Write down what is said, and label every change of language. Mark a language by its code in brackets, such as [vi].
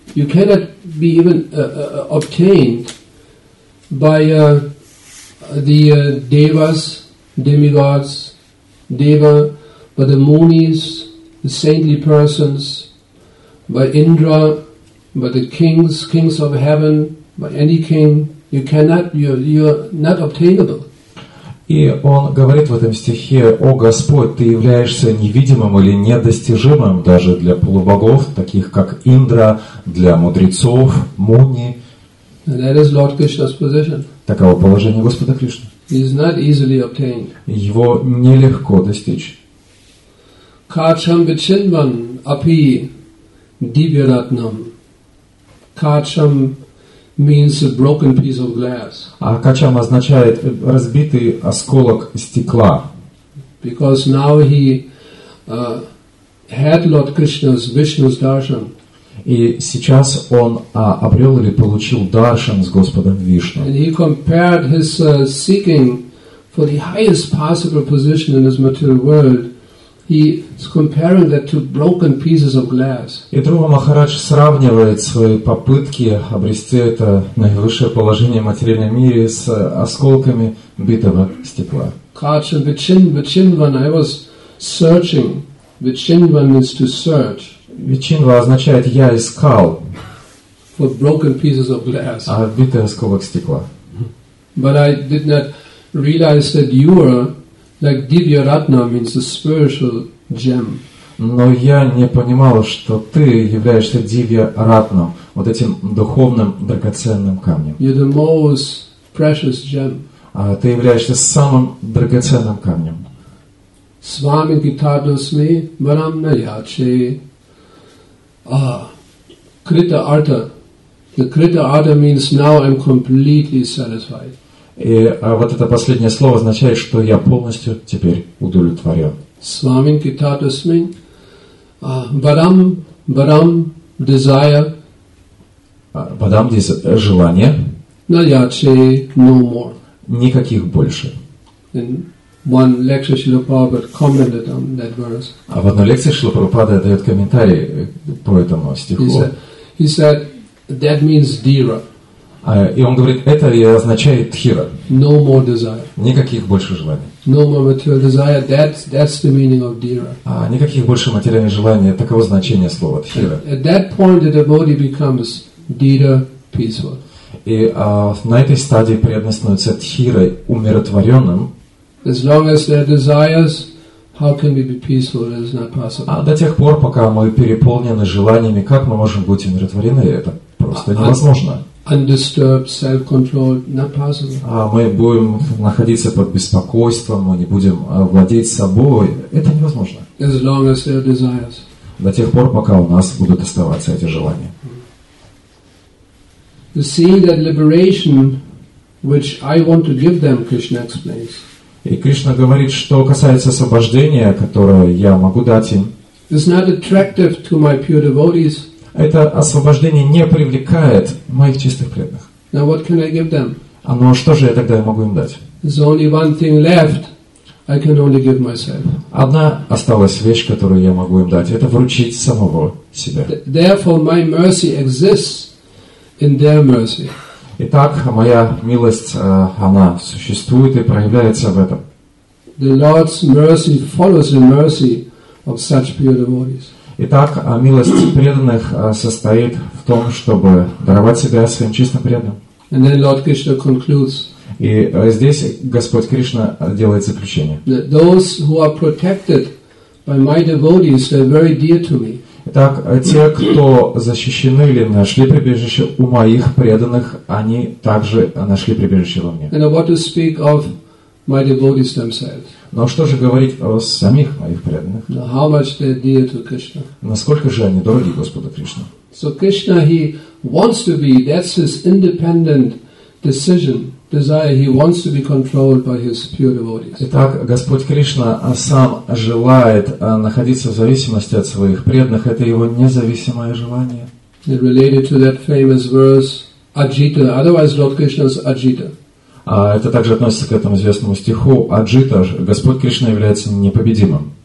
[en] You cannot be even obtained by devas, demigods, deva, by the munis, the saintly persons, by Indra, by the kings of heaven, by any king. You cannot, you are not obtainable. [ru] И он говорит в этом стихе: о Господь, ты являешься невидимым или недостижимым даже для полубогов, таких как Индра, для мудрецов, муни. [en] And that is Lord Krishna's position. [ru] Таково положение Господа Кришны. [en] He is not easily obtained. [ru] Его нелегко достичь. [sa] Качам бичинван апи дивиратнам. [en] Качам means a broken piece of glass. [ru] А качам означает разбитый осколок стекла. [en] Because now he had Lord Krishna's Vishnu's darshan. [ru] И сейчас он обрел или получил даршан с Господом Вишну. [en] And he compared his seeking for the highest possible position in this material world. He is comparing that to broken pieces of glass. [ru] И Друва Махарадж сравнивает свои попытки обрести это наивысшее положение в материальном мире с осколками битого стекла. [sa] Kacham vichinvan, [en] I was searching. Vichinvan means to search. [ru] Vichinva означает «я искал». [en] for broken pieces of glass. [ru] А битое осколок стекла. [en] But I did not realize that you are like Divya Ratna means a spiritual gem. [ru] Но я не понимал, что ты являешься Дивья Ратна, вот этим духовным драгоценным камнем. [en] You're the most precious gem. [ru] А ты являешься самым драгоценным камнем. [sa] С вами китадосми варам наячи. Крита арта. [en] The крита арта means now I'm completely satisfied. [ru] И вот это последнее слово означает, что я полностью теперь удовлетворен. [sa] С вами китадосми варам, варам, desire. [ru] Варам, желание. [en] Наячи, no more. [ru] Никаких больше. [en] In one lecture, Srila Prabhupada commented on that verse. [ru] А в одной лекции Шрила Прабхупада дает комментарий по этому стиху. [en] He said, that means dhira. [ru] И он говорит, это и означает dhira. [en] No more desire. [ru] Никаких больше желаний. [en] No more material desire. That's the meaning of dhira. [ru] Никаких больше материальных желаний. Таково значение слова dhira. [en] At that point, the devotee becomes dhira peaceful. [ru] И на этой стадии преданный становится тхирой, умиротворенным. [en] As long as there are desires, how can we be peaceful? It is not possible. [ru] До тех пор, пока мы переполнены желаниями, как мы можем быть умиротворены? Это просто невозможно. [en] Undisturbed self-control, not possible. [ru] Мы будем находиться под беспокойством, мы не будем владеть собой. Это невозможно. [en] As long as there are desires. [ru] До тех пор, пока у нас будут оставаться эти желания. [en] To see that liberation, which I want to give them, Krishna explains. [ru] И Кришна говорит, что касается освобождения, которое я могу дать им. [en] It's not attractive to my pure devotees. [ru] Это освобождение не привлекает моих чистых преданных. [en] Now what can I give them? [ru] Ну что же я тогда могу им дать? [en] There's only one thing left. I can only give myself. [ru] Одна осталась вещь, которую я могу им дать. Это вручить самого себя. [en] Therefore, my mercy exists. In their mercy. [ru] Итак, моя милость, она существует и проявляется в этом. [en] The Lord's mercy follows the mercy of such pure devotees. [ru] Итак, милость преданных состоит в том, чтобы даровать себя своим чистым преданным. [en] And then Lord Krishna concludes. [ru] И здесь Господь Кришна делает заключение. [en] That those who are protected by my devotees are very dear to me. [ru] Итак, те, кто защищены или нашли прибежище у моих преданных, они также нашли прибежище во мне. [en] And what to speak of my devotees themselves? [ru] Но что же говорить о самих моих преданных? [en] How much they dear to Krishna? [ru] Насколько же они дороги Господу Кришне? [en] So Krishna, he wants to be, that's his independent decision. Desire, he wants to be controlled by his pure devotees. [ru] Итак, Господь Кришна сам желает находиться в зависимости от своих преданных. Это его независимое желание. [en] It related to that famous verse, Ajita. Otherwise, Lord Krishna's Ajita. [ru] Это также относится к этому известному стиху Аджита. Господь Кришна является непобедимым.